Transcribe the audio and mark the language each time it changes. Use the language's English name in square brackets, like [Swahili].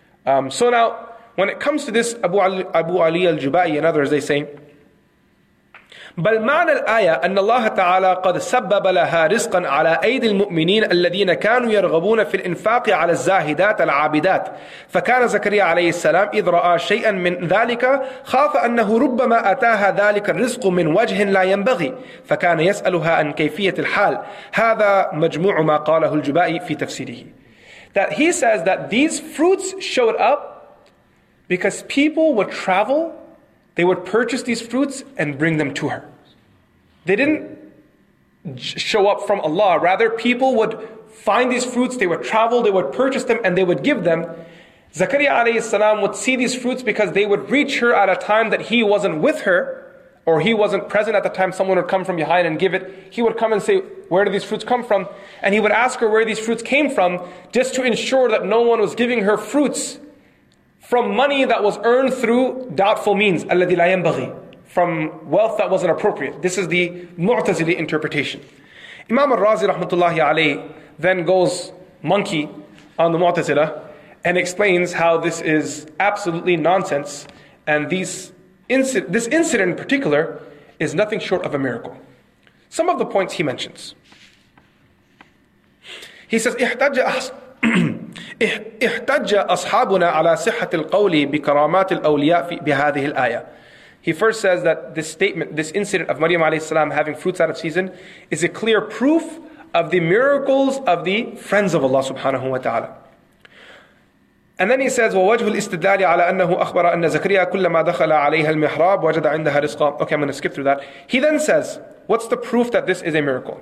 [English] So now, when it comes to this, Abu Ali al-Jubai and others, they say, [Arabic] بل معنى الآية أن الله تعالى قد سبب لها رزقا على أيدي المؤمنين الذين كانوا يرغبون في الإنفاق على الزاهدات العابدات فكان زكريا عليه السلام إذ رأى شيئا من ذلك خاف أنه ربما أتاها ذلك الرزق من وجه لا ينبغي فكان يسألها عن كيفية الحال هذا مجموع ما قاله الجبائي في تفسيره. [English] That he says that these fruits showed up because people would travel. They would purchase these fruits and bring them to her. They didn't show up from Allah. Rather, people would find these fruits, they would travel, they would purchase them, and they would give them. Zakaria alayhi salam would see these fruits because they would reach her at a time that he wasn't with her, or he wasn't present at the time. Someone would come from behind and give it. He would come and say, where do these fruits come from? And he would ask her where these fruits came from, just to ensure that no one was giving her fruits from money that was earned through doubtful means, [Arabic] الَّذِي لَا يَنْبَغِي, [English] from wealth that wasn't appropriate. This is the Mu'tazili interpretation. Imam al-Razi rahmatullahi alayhi then goes monkey on the Mu'tazila and explains how this is absolutely nonsense, and this incident in particular is nothing short of a miracle. Some of the points he mentions. He says, [Arabic] احتج أصحابنا على صحة القول بكرامات الأولياء بهذه الآية. [English] He first says that this statement, this incident of Maryam alayhi salam having fruits out of season, is a clear proof of the miracles of the friends of Allah subhanahu wa ta'ala. And then he says, [Arabic] ووجه الاستدلال على أنه أخبر أن زكريا كلما دخل عليها المحراب وجد عندها رزقا. [English] Okay, I'm going to skip through that. He then says, what's the proof that this is a miracle?